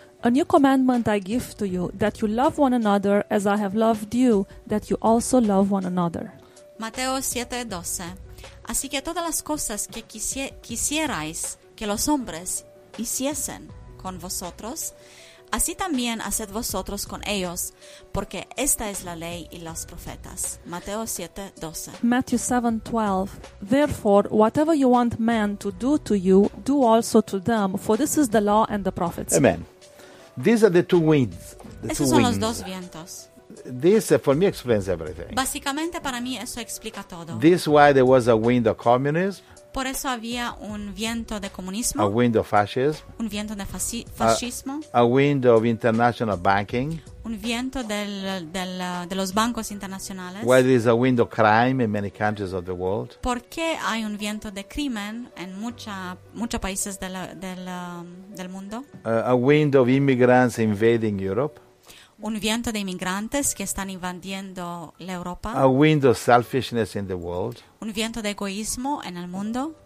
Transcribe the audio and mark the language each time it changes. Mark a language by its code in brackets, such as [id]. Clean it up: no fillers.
[en] A new commandment I give to you, that you love one another as I have loved you, that you also love one another. [es] Mateo 7:12. Así que todas las cosas que quisierais que los hombres hiciesen con vosotros, así también haced vosotros con ellos, porque esta es la ley y los profetas. Mateo 7:12. [en] Matthew 7:12. Therefore, whatever you want men to do to you, do also to them, for this is the law and the prophets. Amen. These are the two winds. [es] Esos son los dos vientos. [en] This, for me, explains everything. [es] Básicamente, para mí, eso explica todo. [en] This is why there was a wind of communism. [es] Por eso había un viento de comunismo. [en] A wind of fascism. [es] Un viento de fascismo. [en] A wind of international banking. [es] Un viento de los bancos internacionales. [en] Why there is a wind of crime in many countries of the world. [es] ¿Por qué hay un viento de crimen en muchos países del mundo? [en] A wind of immigrants invading Europe. [es] Un viento de inmigrantes que están invadiendo la Europa. [en] A wind of selfishness in the world. [es] Un viento de egoísmo en el mundo.